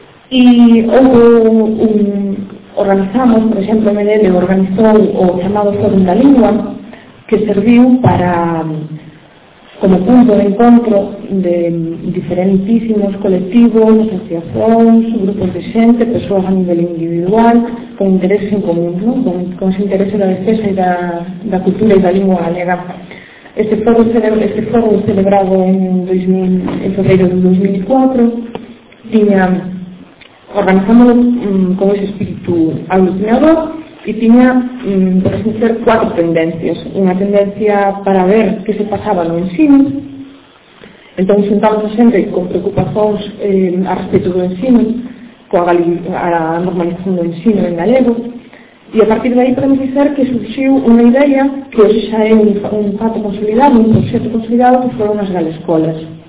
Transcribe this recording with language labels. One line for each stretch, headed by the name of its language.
Galician: E houve organizamos, por exemplo, MDL organizou o chamado Fórum da Lingua, que serviu para como punto de encontro de diferentísimos colectivos, asociacións, grupos de xente, persoas a nivel individual, con intereses en común, ¿no? con ese interés en la defensa da cultura e da lingua galega. Este foro celebrado en febreiro de 2004, tiña
Spanish: organizándolo con ese espíritu alucinador, y tenía, por así decir, cuatro tendencias. Una tendencia para ver qué se pasaba
Galician: no ensino, entonces sentamos a xente con preocupacións a respecto do ensino, coa a normalización do ensino en galego, e a partir de aí podemos dizer que surgiu unha idea que hoxe xa é un fato consolidado, un proxecto consolidado, que foron as galescolas.